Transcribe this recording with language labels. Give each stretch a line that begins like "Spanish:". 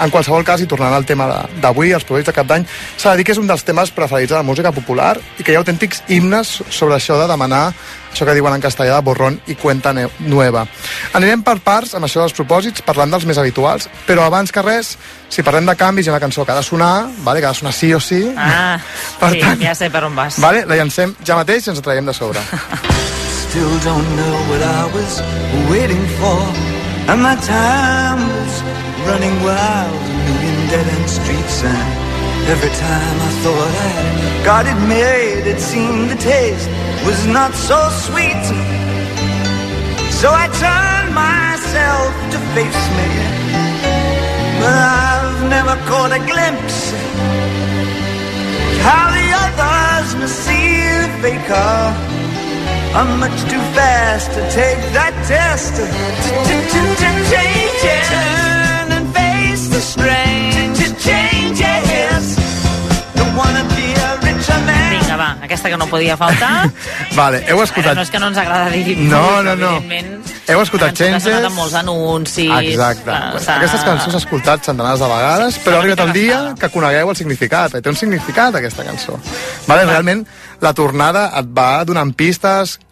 Catalan: En qualsevol cas, i tornant al tema d'avui, els propòsits de cap d'any, s'ha de dir que és un dels temes preferits de la música popular i que hi ha autèntics himnes sobre això de demanar això que diuen en castellà de
Spanish: borrón i cuenta nueva.
Catalan: Anirem per parts amb això dels propòsits, parlant dels més habituals, però abans que res, si parlem de canvis i una cançó que ha de sonar, vale, que ha de sonar sí o sí, per sí, tant, ja sé per on vas. Vale, la llancem ja mateix i ens la traiem de sobre.
English: Still don't know what I was waiting for. And my time was running wild, a million dead-end streets, and every time I thought I had got it made, it seemed the taste was not so sweet. So I turned myself to face me, but I've never caught a glimpse of how the others must see the faker. I'm much too fast to take that test. Change, turn and face the strain. Change, don't wanna be a richer man.
Catalan: Vinga, va, aquesta que no podia faltar. Vale, heu escoltat. No és que no ens agrada dir. No, no, no. Heu escoltat Changes? Han sonat molts anuncis. Exacte. Aquestes cançons s'ha escoltat centenars de vegades, sí, però ha arribat el dia que conegueu el significat. Té un significat, aquesta cançó. Vale, realment, la tornada et va donant pistes.